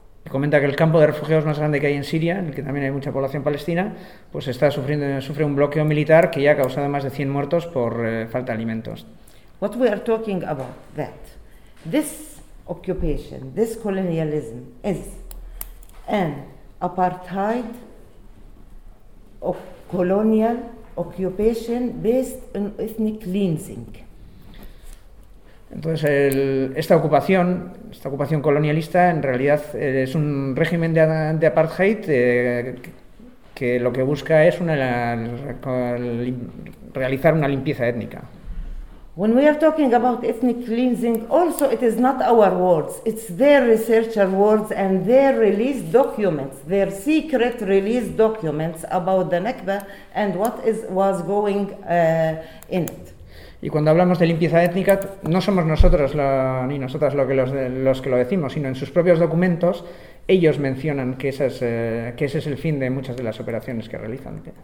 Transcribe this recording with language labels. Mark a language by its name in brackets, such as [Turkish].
[Spanish] Comenta que el campo de refugiados más grande que hay en Siria, en el que también hay mucha población palestina, pues está sufre un bloqueo militar que ya ha causado más de 100 muertos por falta de alimentos. [English] What we are talking about, that this occupation, this colonialism is an apartheid of colonial occupation based on ethnic cleansing. [Spanish] Entonces, esta ocupación colonialista, en realidad es un régimen de apartheid que lo que busca es realizar una limpieza étnica. [English] When we are talking about ethnic cleansing, also it is not our words, it's their researcher words and their released documents, their secret released documents about the Nakba and what was going in it. [Spanish] Y cuando hablamos de limpieza étnica, no somos nosotros ni nosotras los que lo decimos, sino en sus propios documentos, ellos mencionan que ese es el fin de muchas de las operaciones que realizan.